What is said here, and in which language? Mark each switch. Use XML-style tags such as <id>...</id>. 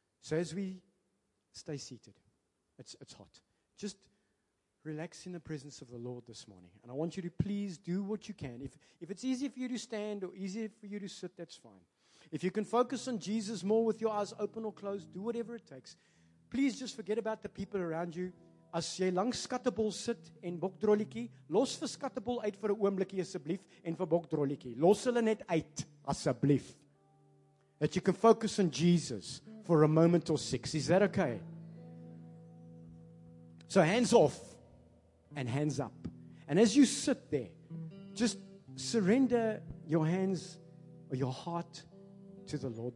<en>So as we stay seated, it's hot. Just relax in the presence of the Lord this morning. And I want you to please do what you can. If it's easy for you to stand or easy for you to sit, that's fine. If you can focus on Jesus more with your eyes open or closed, do whatever it takes. Please just forget about the people around you.</en> <af>As jy langs skattebol sit en bokdrolletjie, los vir skattebol uit vir 'n oomblikie asseblief en vir bokdrolletjie. Los hulle net uit asseblief.</af> <en>That you can focus on Jesus for a moment or six. Is that okay? So hands off and hands up. And as you sit there, just surrender your hands or your heart to the Lord.</en>